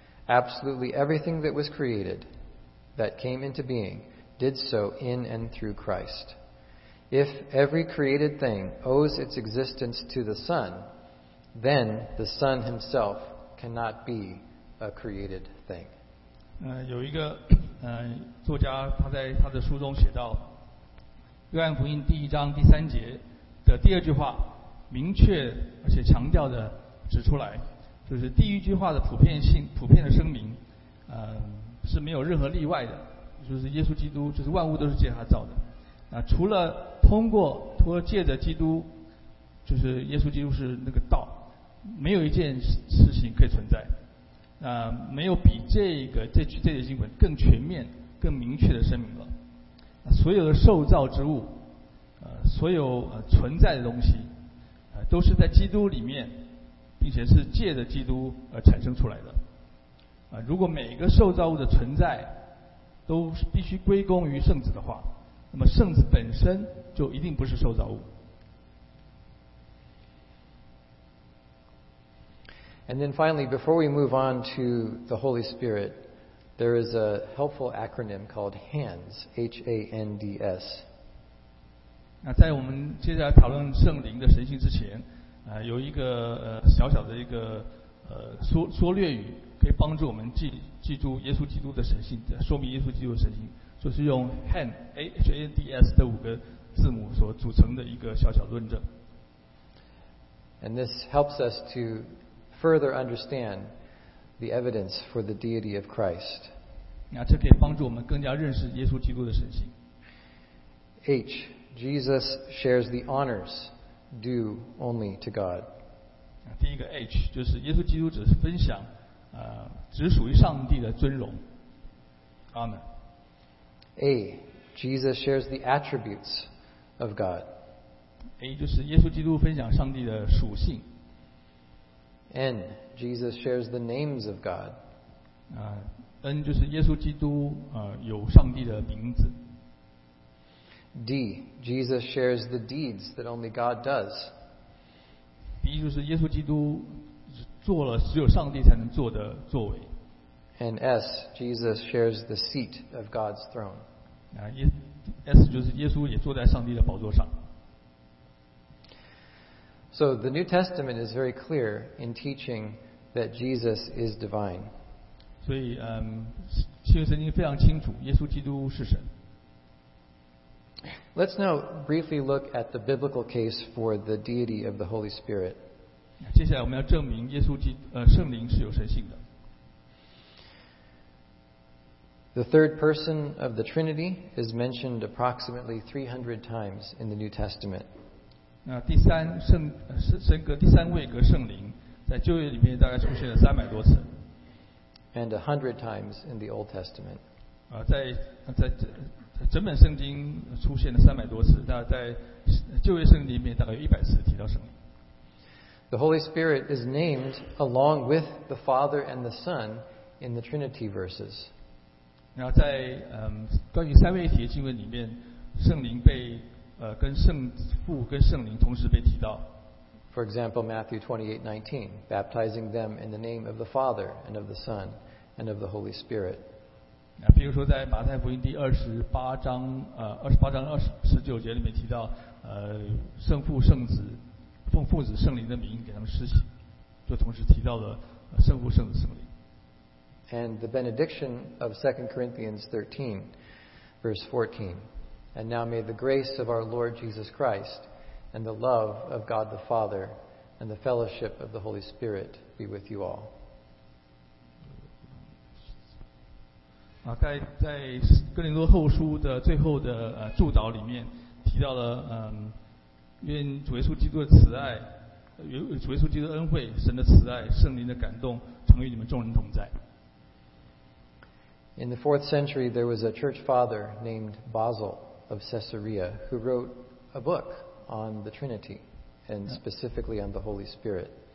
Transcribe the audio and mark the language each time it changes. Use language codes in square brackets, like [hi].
[en] Absolutely everything that was created, that came into being, did so in and through Christ. If every created thing owes its existence to the Son, then the Son himself cannot be a created thing. [zh] 有一个作家，他在他的书中写到，约翰福音第一章第三节的第二句话明确而且强调的指出来，就是第一句话的普遍的声明是没有任何例外的，就是耶稣基督就是万物都是借他造的，除了通过借着基督，就是耶稣基督是那个道，没有一件事情可以存在。没有比这个经文更全面、更明确的声明了。所有的受造之物，所有存在的东西，都是在基督里面，并并且是借着基督而产生出来的。如果每个受造物的存在都必须归功于圣子的话，那么圣子本身就一定不是受造物。 [en] And then finally, before we move on to the Holy Spirit, there is a helpful acronym called HANDS, H-A-N-D-S. [zh] 那在我们接下来讨论圣灵的神性之前，有一个小小的一个缩略语，可以帮助我们记住耶稣基督的神性，说明耶稣基督的神性，就是用 HAND, H-A-N-D-S 的五个字母所组成的一个小小论证。 [en] And this helps us to further understand the evidence for the deity of Christ. [zh] 那这可以帮助我们更加认识耶稣基督的神性。 [en] H, Jesus shares the honors due only to God. [zh] 第一个 H, 就是耶稣基督只是分享只属于上帝的尊荣。 [en] Amen. A, Jesus shares the attributes of God. [zh] A, 就是耶稣基督分享上帝的属性。 [en] N, Jesus shares the names of God. [zh] N 就是耶稣基督有上帝的名字。 [en] D, Jesus shares the deeds that only God does. [zh] D 就是耶稣基督做了只有上帝才能做的作为。 [en] And S, Jesus shares the seat of God's throne. [zh] S 就是耶稣也坐在上帝的宝座上。 [en] So the New Testament is very clear in teaching that Jesus is divine. [zh] 所以新约圣经非常清楚，耶稣基督是神。 [en] Let's now briefly look at the biblical case for the deity of the Holy Spirit. [zh] 接下来我们要证明耶稣基督圣灵是有神性的。 [en] The third person of the Trinity is mentioned approximately 300 times in the New Testament. [zh] 第三位格圣灵在旧约里面大概出现了300多次 [en] and 100 times in the Old Testament [zh] 在整本圣经出现了300多次，那在旧约圣经里面大概有100次提到圣灵。 [en] The Holy Spirit is named along with the Father and the Son in the Trinity verses [zh] 然后在关于三位一体的经文里面，圣灵被跟圣父跟圣灵同时被提到。 [en] For example, Matthew 28:19, baptizing them in the name of the Father and of the Son and of the Holy Spirit. [zh] 比如说在马太福音第28章29节里面提到，圣父、圣子，奉父子、圣灵的名给他们施洗，就同时提到了圣父、圣子、圣灵。 [en] And the benediction of 2 Corinthians 13:14. And now may the grace of our Lord Jesus Christ and the love of God the Father and the fellowship of the Holy Spirit be with you all. [zh] 在哥林多后书的最后的祝祷里面提到了愿主耶稣基督的慈爱，主耶稣基督的恩惠，神的慈爱，圣灵的感动，常与你们众人同在。 [en] In the 4th century there was a church father named Basil. Of Caesarea, who wrote a book on the Trinity and specifically on the Holy Spirit.